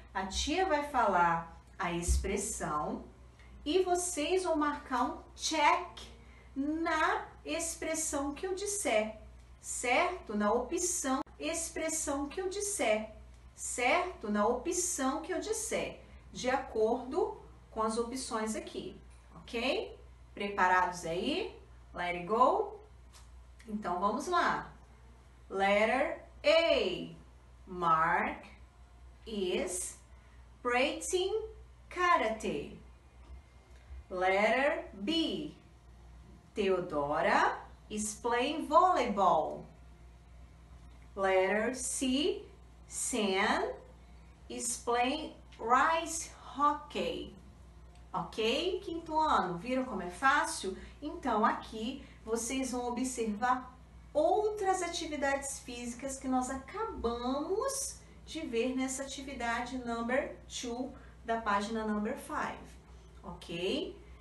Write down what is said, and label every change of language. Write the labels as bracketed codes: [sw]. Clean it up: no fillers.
[pt] A tia vai falar a expressão e vocês vão marcar um check na expressão que eu disser, certo? Na opção expressão que eu disser. Certo? Na opção que eu disser, de acordo com as opções aqui, ok? Preparados aí? [en] Let it go! [pt] Então vamos lá. [en] Letter A. Mark is practicing karate. Letter B. Theodora is playing volleyball. Letter C. Sam is playing ice hockey. Ok? [pt] Quinto ano, viram como é fácil? Então aqui vocês vão observar outras atividades físicas que nós acabamos de ver nessa atividade number 2 da página number 5. Ok?